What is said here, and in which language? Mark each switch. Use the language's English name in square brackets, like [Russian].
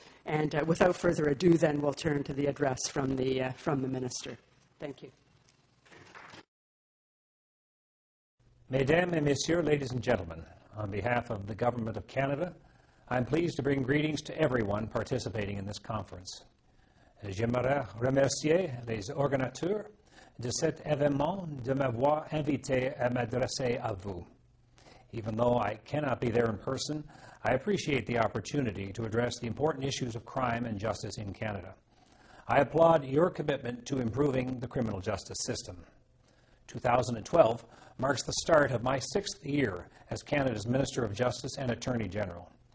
[English] And without further ado, then, we'll turn to the address from the Minister. Thank you. [French] Mesdames et Messieurs, [English] ladies and gentlemen, on behalf of the Government of Canada, I'm pleased to bring greetings to everyone participating in this conference. [French] J'aimerais remercier les organisateurs de cet événement de m'avoir invité à m'adresser à vous. [English] Even though I cannot be there in person, I appreciate the opportunity to address the important issues of crime and justice in Canada. I applaud your commitment to improving the criminal justice system. 2012 marks the start of my sixth year as Canada's Minister of Justice and Attorney General.